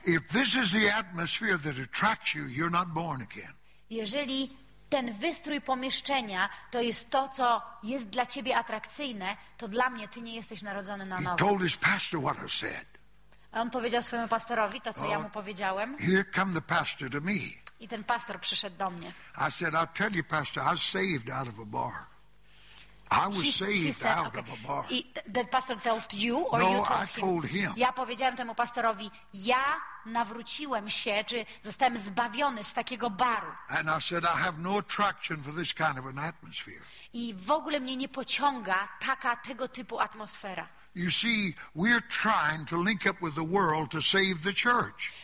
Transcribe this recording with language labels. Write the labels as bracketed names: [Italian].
[English] if this is the atmosphere that attracts you, you're not born again. [Polish] Jeżeli ten wystrój pomieszczenia to jest to, co jest dla ciebie atrakcyjne, to dla mnie ty nie jesteś narodzony na nowo. [English] He told his pastor what I said. [Polish] A on powiedział swojemu pastorowi to, co ja mu powiedziałem. [English] Here come the pastor to me. [Polish] I ten pastor przyszedł do mnie. [English] I said, I'll tell you, pastor, I saved out of a bar. I was out of a bar. The pastor told you, or no, you told I told him. [Polish] Ja powiedziałem temu pastorowi, ja nawróciłem się, czy zostałem zbawiony z takiego baru. [English] And I said, I have no attraction for this kind of an atmosphere. [Polish] I w ogóle mnie nie pociąga taka tego typu atmosfera. [English] You see, we're trying to link up with the world to save the church.